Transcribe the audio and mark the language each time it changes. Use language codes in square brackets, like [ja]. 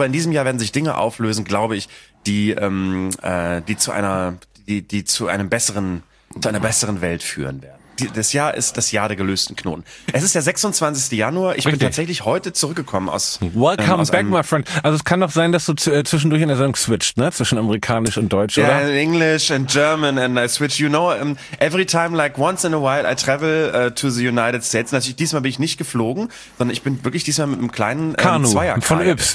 [de] Aber in diesem Jahr werden sich Dinge auflösen, glaube ich, die zu einer besseren Welt führen werden. Das Jahr ist das Jahr der gelösten Knoten. Es ist der 26. Januar. Bin tatsächlich heute zurückgekommen aus... [en] Welcome aus back, my friend. [de] Also es kann doch sein, dass du zwischendurch in der Sendung switcht, ne? Zwischen amerikanisch und deutsch, oder? [en] Yeah, in English and German and I switch. You know, every time, like once in a while, I travel to the United States. [de] Natürlich, diesmal bin ich nicht geflogen, sondern ich bin wirklich diesmal mit einem kleinen Zweier-Kajak.